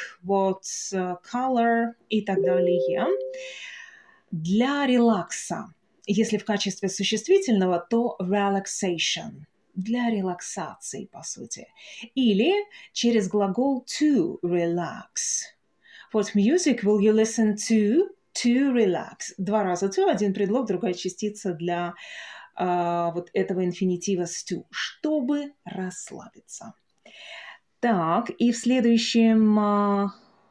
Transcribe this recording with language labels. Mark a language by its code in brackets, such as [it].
[en] What color? [ru] И так далее. Для релакса. Если в качестве существительного, то relaxation. Для релаксации, по сути. Или через глагол to relax. [en] What music will you listen to relax? [ru] Два раза to, один предлог, другая частица для вот этого инфинитива с to, чтобы расслабиться. Так, и в следующем